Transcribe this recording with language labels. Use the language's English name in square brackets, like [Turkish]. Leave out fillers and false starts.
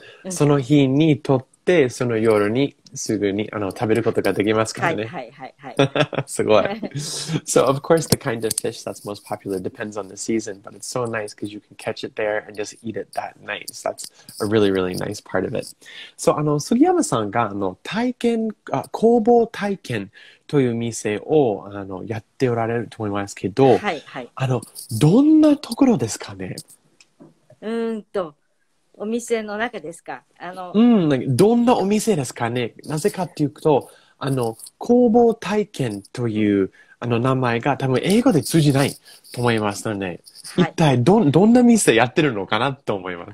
[Japanese] その日にとって、その夜にすぐにあの食べることができますからね。はいはいはい。すごい。 [English] So of course the kind of fish that's most popular depends on the season, but it's so nice because you can catch it there and just eat it that night. So that's a really really nice part of it. [Japanese] So あの杉山さんがあの体験、あ、工房体験という店をあのやっておられると思いますけど、はいはい、あのどんなところですかね。お店の中ですか。あの、うん、どんなお店ですかね。なぜかというと、あの工房体験というあの名前が多分英語で通じないと思いますので、はい、一体どんな店やってるのかなと思います。